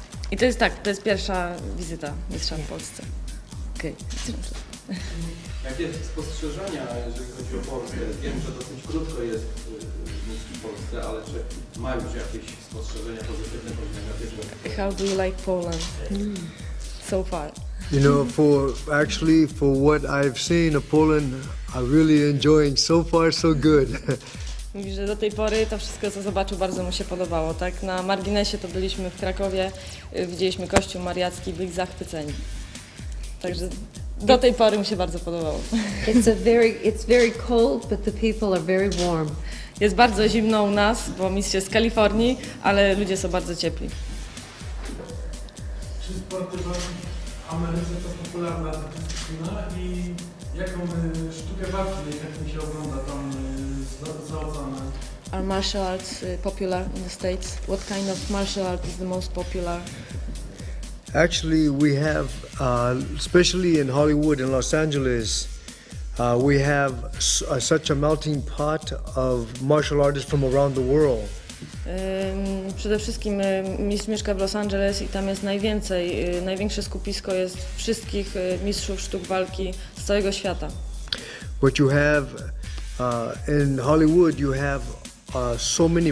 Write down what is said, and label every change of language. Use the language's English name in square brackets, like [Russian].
[Polish] I to jest tak, to jest pierwsza wizyta mistrza w Polsce. [English] Okay. [Polish] Jakie spostrzeżenia, jeżeli chodzi o Polskę? Wiem, że dosyć krótko jest mistrz w Polsce, ale czy ma już jakieś spostrzeżenia pozytywne, negatywne? [English] How do you like Poland? So far. You know, for what I've seen of Poland, I'm really enjoying so far so good. [Polish] Mówi, że do tej pory to wszystko, co zobaczył, bardzo mu się podobało, tak? Na marginesie to byliśmy w Krakowie, widzieliśmy kościół mariacki, byli zachwyceni. Także do tej pory mu się bardzo podobało. [English] It's very cold, but the people are very warm. [Polish] Jest bardzo zimno u nas, bo mistrz jest z Kalifornii, ale ludzie są bardzo ciepli. Czy sporty w Ameryce to popularna dyscyplina i jaką sztukę walki, jak mi się ogląda tam zaocane? [English] Are martial arts popular in the States? What kind of martial art is the most popular? Actually, we have, especially in Hollywood and Los Angeles, we have such a melting pot of martial artists from around the world. [Polish] Przede wszystkim mistrz mieszka w Los Angeles i tam jest najwięcej, największe skupisko jest wszystkich mistrzów sztuk walki z całego świata. [English] What you have in Hollywood, you have so many.